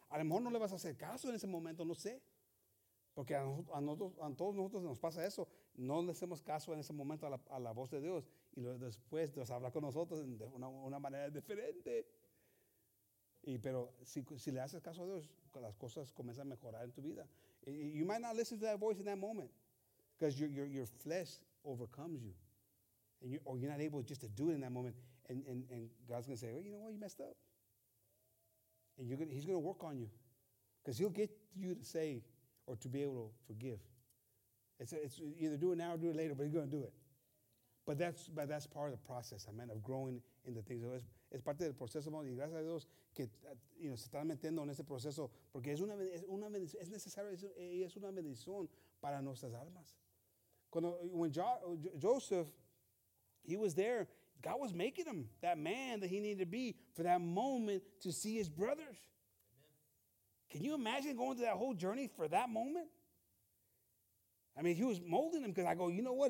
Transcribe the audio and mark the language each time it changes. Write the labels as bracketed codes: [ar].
[es] A lo mejor no le vas a hacer caso en ese momento, no sé. Porque a todos nosotros nos pasa eso. No le hacemos caso en ese momento a la voz de Dios. Y después Dios habla con nosotros de una manera diferente. Pero si le haces caso a Dios, las cosas comienzan a mejorar en tu vida. [en] You might not listen to that voice in that moment because your flesh overcomes you. Or you're not able just to do it in that moment. And God's going to say, well, you know what, you messed up. And he's going to work on you because he'll get you to say or to be able to forgive. It's either do it now or do it later, but he's going to do it. But that's part of the process, amen, of growing in the things of God. [es] Es parte del proceso, hermano, y gracias a Dios que se están metiendo en ese proceso porque es una bendición, es necesario y es una bendición para nuestras almas. [en] When Joseph, he was there, God was making him that man that he needed to be for that moment to see his brothers. Amen. Can you imagine going through that whole journey for that moment? I mean, he was molding him because I go, you know what?